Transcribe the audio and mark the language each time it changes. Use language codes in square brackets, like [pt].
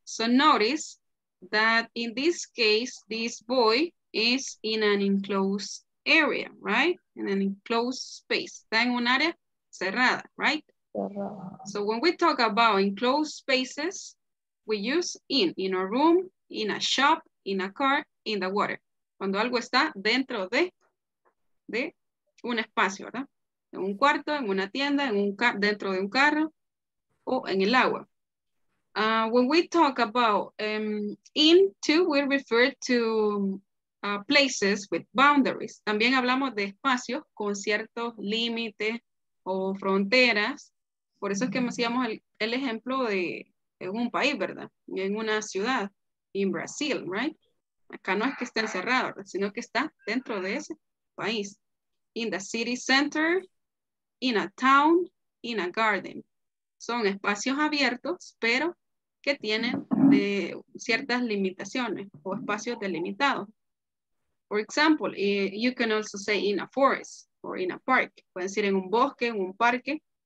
[en] So notice that in this case, this boy is in an enclosed area, right? In an enclosed space. [es] Está en un área cerrada, [en] right? So when we talk about enclosed spaces, we use in a room, in a shop, in a car, in the water. [es] Cuando algo está dentro de un espacio, ¿verdad? En un cuarto, en una tienda, en un dentro de un carro o en el agua. [en] When we talk about in, too, we refer to places with boundaries. [es] También hablamos de espacios con ciertos límites o fronteras. Por eso es que hacíamos el ejemplo de en un país, ¿verdad? En una ciudad, [en] in Brazil, right? [es] Acá no es que esté encerrado, ¿verdad? Sino que está dentro de ese país. [en] In the city center, in a town, in a garden. [es] Son espacios abiertos, pero que tienen de ciertas limitaciones o espacios delimitados. [en] For example, you can also say in a forest or in a park. [es] Pueden decir en un bosque, en un parque.